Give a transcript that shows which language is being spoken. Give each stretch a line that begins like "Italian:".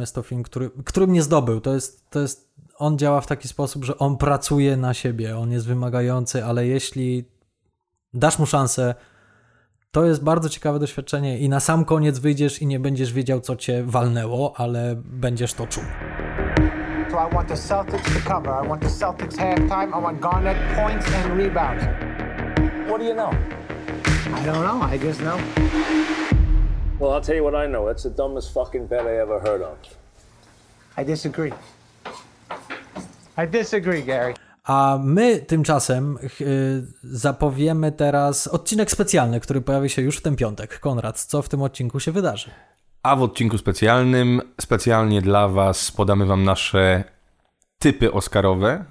Polish: Jest to film, który mnie zdobył. To jest, on działa w taki sposób, że on pracuje na siebie, on jest wymagający, ale jeśli dasz mu szansę, to jest bardzo ciekawe doświadczenie i na sam koniec wyjdziesz i nie będziesz wiedział, co cię walnęło, ale będziesz to czuł.
English: So I want the Celtics to cover. I want the Celtics halftime. I want Garnett points and rebounds. What do you know? I don't know. I just know. Well, I'll tell you what I know. That's the dumbest fucking bet I ever heard of. I disagree. I disagree, Gary.
Polish: A my tymczasem zapowiemy teraz odcinek specjalny, który pojawi się już w ten piątek. Konrad, co w tym odcinku się wydarzy? A w odcinku specjalnym, specjalnie dla was, podamy wam nasze typy oscarowe.